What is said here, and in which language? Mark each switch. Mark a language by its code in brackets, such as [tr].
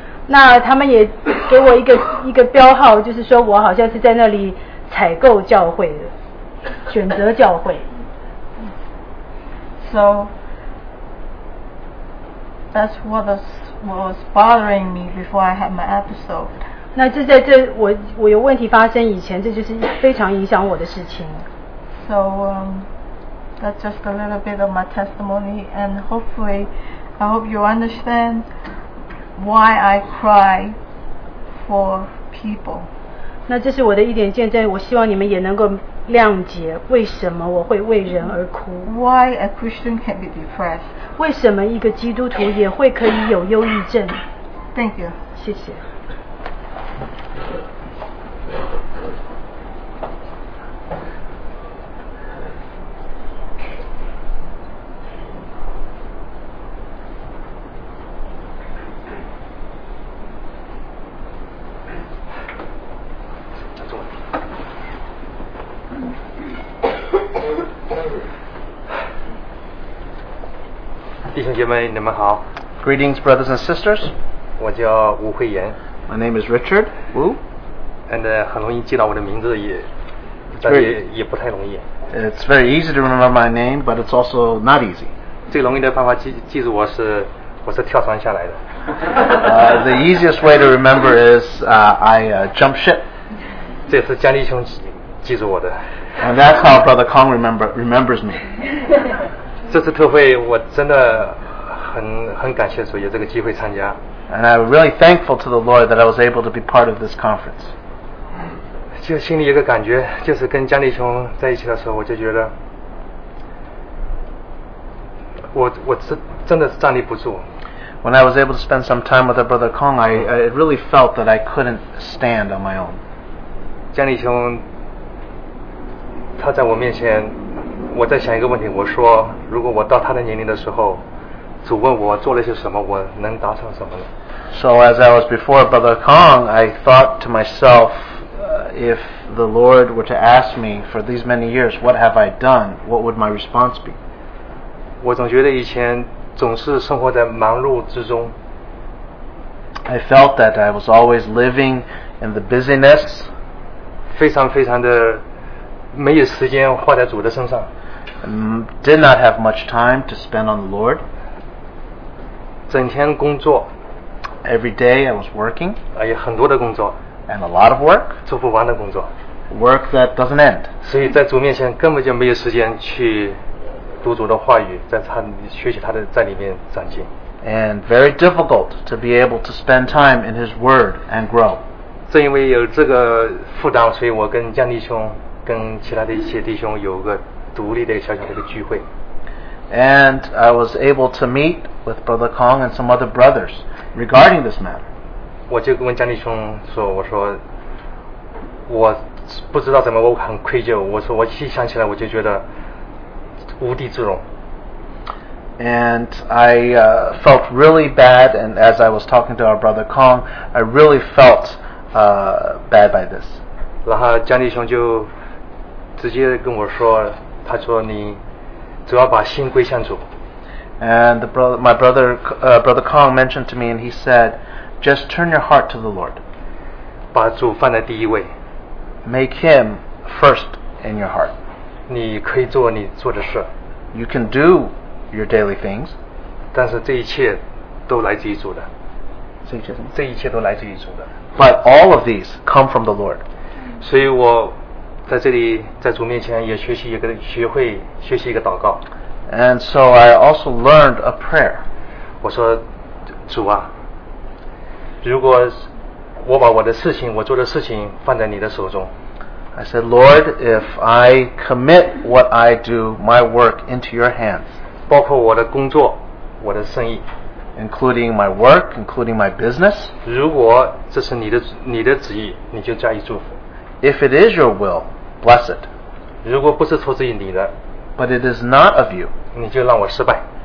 [zh] 那他们也给我一个标号，就是说我好像是在那里。采购教会的，选择教会。 [en] So that's what was bothering me before I had my episode. [zh] 那这在这我有问题发生以前，这就是非常影响我的事情。 [en] So that's just a little bit of my testimony, and hopefully, I hope you understand why I cry for people. [zh] 那这是我的一点见证，我希望你们也能够谅解为什么我会为人而哭。 [en] Why a Christian can be depressed? [zh] 为什么一个基督徒也会可以有忧郁症 [en] ？Thank you. [zh] 谢谢。你们好 [en] Greetings, brothers and sisters. [zh] 我叫吴慧言 [en] My name is Richard Wu. [zh] And 很容易记到我的名字也，但也不太容易。 [en] It's very easy to remember my name, but it's also not easy. [zh] 最容易的方法记住我是跳船下来的。 [en] The easiest way to remember is jump ship. [zh] 这是江立雄记住我的。 [en] And that's how Brother Kong remembers me. [zh] 这次特会我真的。很感谢主有这个机会参加。 [en] And I'm really thankful to the Lord that I was able to be part of this conference. [zh] 就心里一个感觉，就是跟江立雄在一起的时候，我就觉得我真的是站立不住。 [en] When I was able to spend some time with our brother Kong, I really felt that I couldn't stand on my own. [zh] 江立雄他在我面前，我在想一个问题，我说如果我到他的年龄的时候，主问我做了些什么，我能达成什么呢？ [en] So as I was before Brother Kong, I thought to myself, if the Lord were to ask me for these many years, what have I done? What would my response be? [zh] 我总觉得以前总是生活在忙碌之中。 [en] I felt that I was always living in the busyness. [zh] 非常非常的没有时间花在主的身上。 [en] Did not have much time to spend on the Lord. [zh] 整天工作。 [en] Every day I was working. [zh] 有很多的工作。 [en] And a lot of work. [zh] 做不完的工作。 [en] Work that doesn't end. [zh] 所以在主面前根本就没有时间去读主的话语，在他学习他的在里面长进。 [en] And very difficult to be able to spend time in his word and grow. [zh] 正因为有这个负担，所以我跟江弟兄跟其他的一些弟兄有个独立的小小的一个聚会。 [en] And I was able to meet with Brother Kong and some other brothers regarding this matter. [zh] 我就问江立兄说，我说我不知道怎么，我很愧疚。我说我一想起来，我就觉得无地自容。 [en] And I felt really bad. And as I was talking to our Brother Kong, I really felt bad by this. [zh] 然后江立兄就直接跟我说，他说你。主要把心归向主。 [en] And my brother Kong mentioned to me, and he said, "Just turn your heart to the Lord." [zh] 把主放在第一位。 [en] Make Him first in your heart. [zh] 你可以做你做的事。 [en] You can do your daily things. [zh] 但是这一切都来自于主的。这一切都来自于主的。 [en] But all of these come from the Lord. [zh] 所以我。在这里在主面前也学习一个学会学习一个祷告。 [en] And so I also learned a prayer. [zh] 我说主啊，如果我把我的事情我做的事情放在你的手中。 [en] I said, Lord, if I commit what I do, my work into your hands. [zh] 包括我的工作我的生意。 [en] Including my work, including my business. [zh] 如果这是你的旨意你就加以祝福。 [en] If it is your will, bless it. [zh] 如果不是出自于你的, [en] but it is not of you, [zh] 你就让我失败,